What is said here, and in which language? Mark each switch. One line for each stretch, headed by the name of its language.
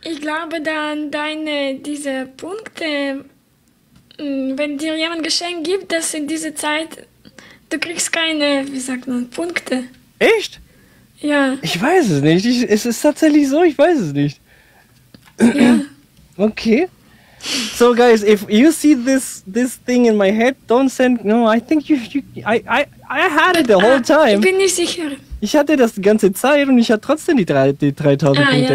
German: Ich glaube, dann deine diese Punkte, wenn dir jemand Geschenk gibt, dass in dieser Zeit... Du kriegst keine, wie sagt man, Punkte. Echt? Ja. Ich weiß es nicht. Es ist tatsächlich so, ich weiß es nicht. Ja. Okay.
English: So, guys, if you see this thing in my head, don't send... No, I think I had it the whole time.
German: Ich bin nicht sicher. Ich hatte das die ganze Zeit und ich hatte trotzdem die 3000 Punkte.